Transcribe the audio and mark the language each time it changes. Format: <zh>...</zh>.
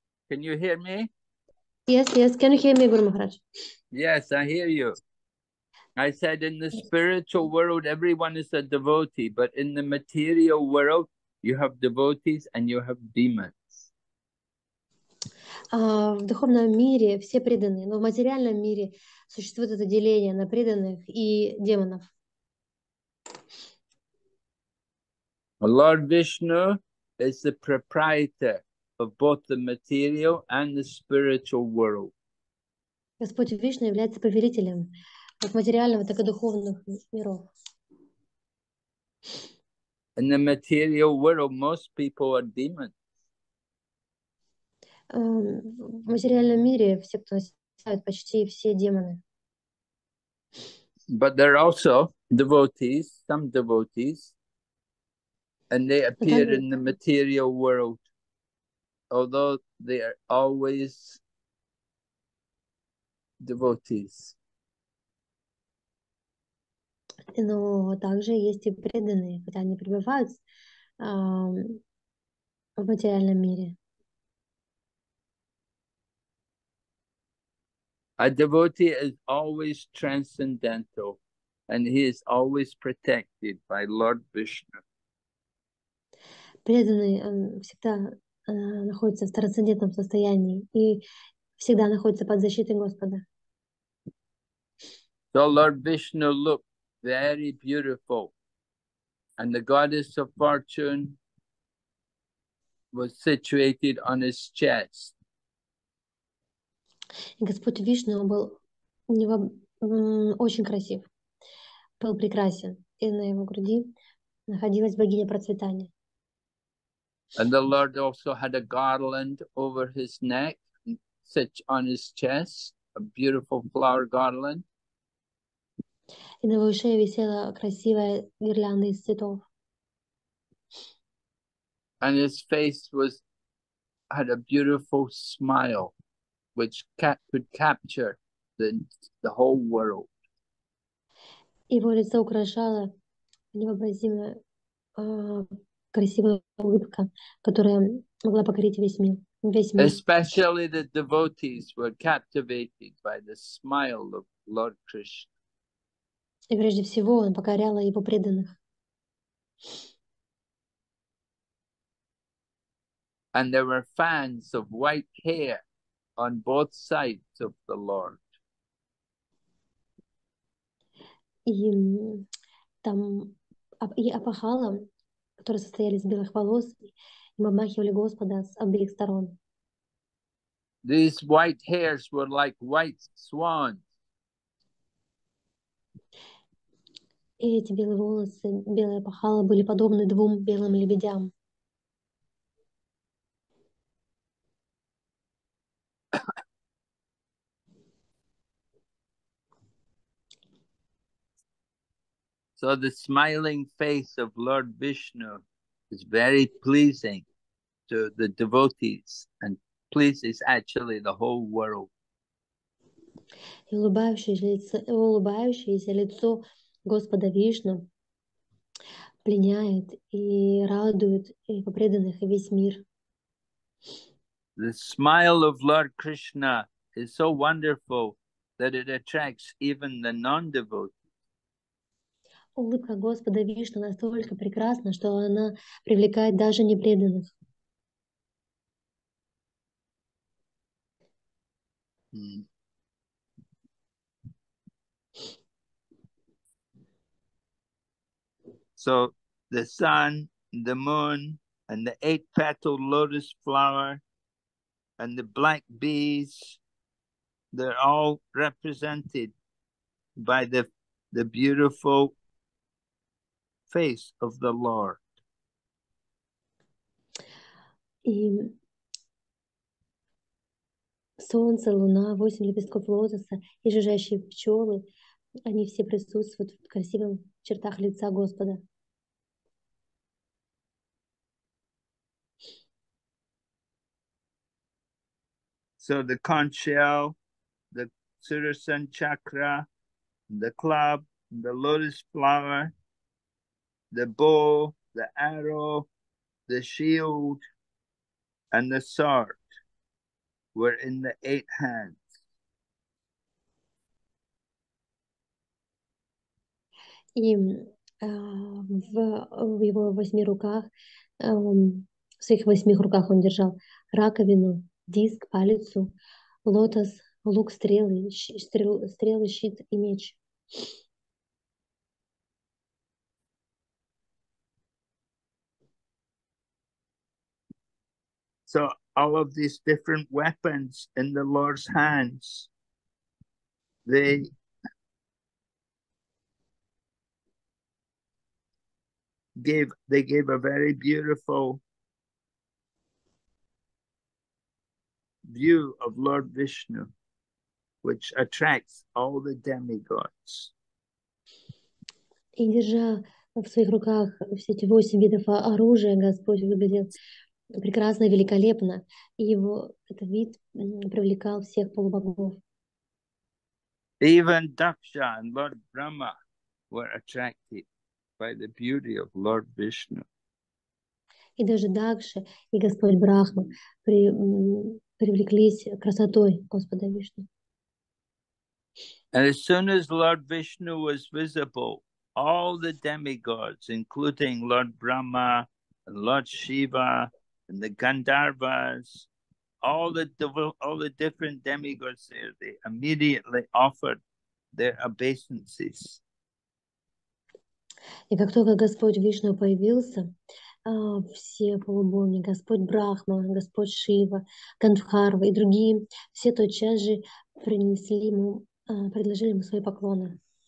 <en>Can you hear me? Yes, yes. Can you hear me, Guru Maharaj? Yes, I hear you. I said in the spiritual world, everyone is a devotee. But in the material world, you have devotees and you have demons.</en> <ru>В духовном мире все преданные, но в материальном мире существует это деление на преданных и демонов.</ru> <en>Lord Vishnu is the proprietor of both the material and the spiritual world.</en> <ru>Господь Вишна является повелителем как материального, так и духовных миров.</ru> <en>In the material world, most people are demons.</en> <ru>В материальном мире все, кто ставит, почти все демоны.</ru> <en>But there are also devotees, some devotees, and they appear in the material world, although they are always devotees.</en> <ru>Но также есть и преданные, когда они пребывают в материальном мире.</ru> <en>A devotee is always transcendental and he is always protected by Lord Vishnu.</en> <ru>Преданный всегда находится в трансцендентном состоянии и всегда находится под защитой Господа.</ru> <en>So Lord Vishnu looked very beautiful and the goddess of fortune was situated on his chest.</en> <ru>И Господь Вишну был у него очень красив, был прекрасен, и на его груди находилась богиня процветания.</ru> <en>And the Lord also had a garland over his neck, such on his chest, a beautiful flower garland.</en> <ru>И на его шее висела красивая гирлянда из цветов.</ru> <en>And his face was had a beautiful smile, which could capture the whole world.</en> <ru>Его лицо украшало невообразимо красивая улыбка, которая могла покорить весь мир.</ru> <en>Especially the devotees were captivated by the smile of Lord Krishna.</en> <ru>И прежде всего он покорял его преданных.</ru> <en>And there were fans of white hair on both sides of the Lord.</en> <ru>И там и опахала, которые состояли из белых волос, и обмахивали Господа с обеих сторон.</ru> <en>These white hairs were like white swans.</en> <ru>И эти белые волосы, белая опахала, были подобны двум белым лебедям.</ru> <en>So the smiling face of Lord Vishnu is very pleasing to the devotees and pleases actually the whole world.</en> <ru>улыбающееся лицо Господа Вишну пленяет и радует и преданных и весь мир.</ru> <en>The smile of Lord Krishna is so wonderful that it attracts even the non-devotees.</en> <ru>Улыбка Господа Вишну настолько прекрасна, что она привлекает даже непреданных.</ru> <en>So the sun, the moon, and the eight-petaled lotus flower, and the black bees, they're all represented by the beautiful face of the Lord.</en> <ru>И солнце, луна, восемь лепестков лотоса и жужжащие пчелы, они все присутствуют в красивых чертах лица Господа.</ru> <en>So the conch shell, the Sudarshan chakra, the club, the lotus flower, the bow, the arrow, the shield, and the sword were in the eight hands.</en> <ru>И в его восьми руках, в своих восьми руках он держал раковину, диск, палицу, лотос, лук, стрелы, щит и меч.</ru> <en>So all of these different weapons in the Lord's hands, they gave a very beautiful view of Lord Vishnu, which attracts all the demigods.</en> <ru>И держа в своих руках все эти восемь видов оружия, Господь выглядел прекрасно и великолепно, и его этот вид привлекал всех полубогов.</ru> <en>Even Daksha and Lord Brahma were attracted by the beauty of Lord Vishnu.</en> <ru>И даже Дакша и Господь Брахма привлеклись красотой Господа Вишну.</ru> <en>And as soon as Lord Vishnu was visible, all the demigods, including Lord Brahma and Lord Shiva and the Gandharvas, all the different demigods there, they immediately offered their obeisances.</en> <ru>И как только Господь Вишну появился, все полубоги, Господь Брахма, Господь Шива, Гандхарва и другие, все тотчас же принесли ему, предложили ему свои поклоны.</ru>